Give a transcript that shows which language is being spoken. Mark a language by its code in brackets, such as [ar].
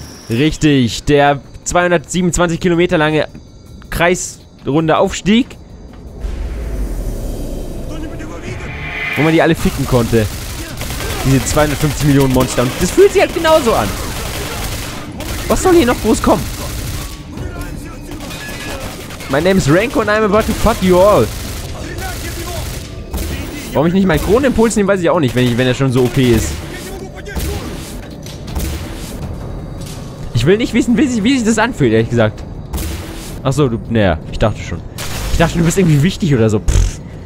[de] Richtig, der 227 Kilometer lange kreisrunde Aufstieg, wo man die alle ficken konnte. diese 250 Millionen Monster. Und das fühlt sich halt genauso an. Was soll hier noch groß kommen? [en] My name is Renko and I'm about to fuck you all. [de] Warum ich nicht meinen Kronenimpuls nehme, weiß ich auch nicht, wenn er schon so OP ist. Ich will nicht wissen, wie sich das anfühlt, ehrlich gesagt. Ach so, du, naja, ich dachte schon. Ich dachte, du bist irgendwie wichtig oder so. Pff.